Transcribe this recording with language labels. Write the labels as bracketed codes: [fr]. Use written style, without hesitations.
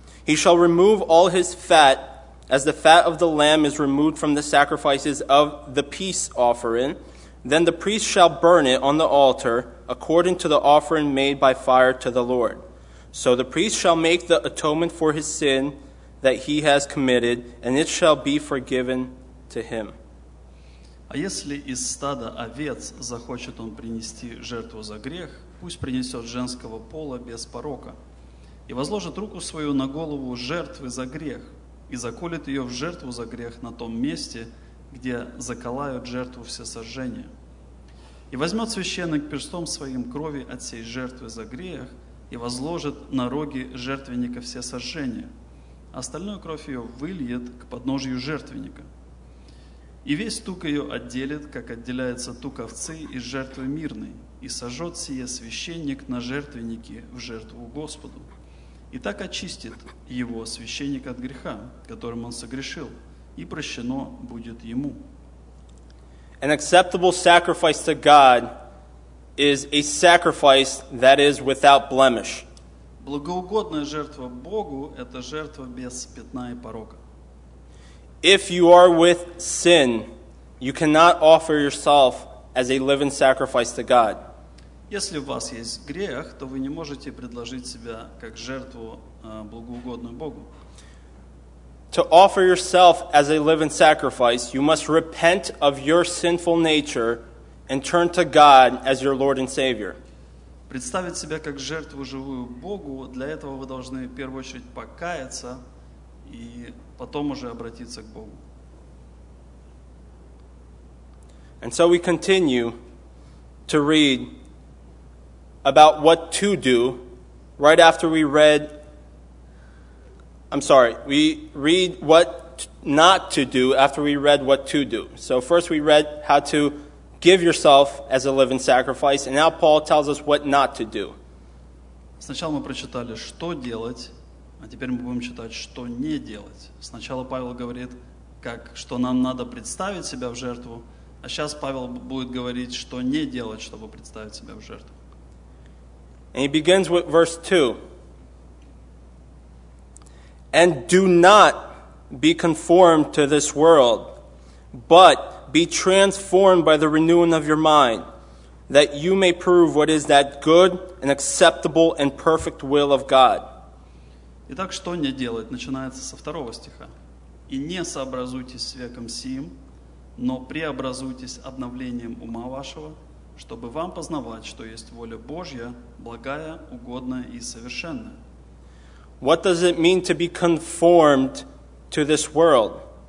[en] He shall remove all his fat, as the fat of the lamb is removed from the sacrifices of the peace offering. Then the priest shall burn it on the altar, according to the offering made by fire to the Lord. So the priest shall make the atonement for his sin that he has committed, and it shall be forgiven to him. [ru] А если из стада овец захочет он принести жертву за грех, пусть принесет женского пола без порока, и возложит руку свою на голову жертвы за грех, и заколет ее в жертву за грех на том месте, где заколают жертву всесожжения. И возьмет священник перстом своим крови от сей жертвы за грех, и возложит на роги жертвенника все сожжения. Остальную кровь ее выльет к подножию жертвенника. И весь тук ее отделит, как отделяется тук овцы из жертвы мирной, и сожжет сие священник на жертвеннике в жертву Господу. И так очистит его священник от греха, которым он согрешил, и прощено будет ему. [en] An acceptable sacrifice to God is a sacrifice that is without blemish. [ru] Благоугодная жертва Богу – это жертва без пятна и порока. [en] If you are with sin, you cannot offer yourself as a living sacrifice to God. [ru] Если у вас есть грех, то вы не можете предложить себя как жертву благоугодную Богу. [en] To offer yourself as a living sacrifice, you must repent of your sinful nature and turn to God as your Lord and Savior. [ru] представить себя как жертву живую Богу, для этого вы должны в первую очередь покаяться и потом уже обратиться к Богу. [en] And so we continue to read about what to do right after we read, we read what not to do after we read what to do. So first we read how to give yourself as a living sacrifice, and now Paul tells us what not to do. [ru] Сначала мы прочитали, что делать, а теперь мы будем читать, что не делать. Сначала Павел говорит, как, что нам надо представить себя в жертву, а сейчас Павел будет говорить, что не делать, чтобы представить себя в жертву. [en] And he begins with verse 2. And do not be conformed to this world, but be transformed by the renewing of your mind, that you may prove what is that good and acceptable and perfect will of God. [ru] Итак, что не делать? Начинается со второго стиха. И не сообразуйтесь с веком сим, но преобразуйтесь обновлением ума вашего, чтобы вам познавать, что есть воля Божья, благая, угодная и совершенная. [en] What does it mean to be conformed to this world?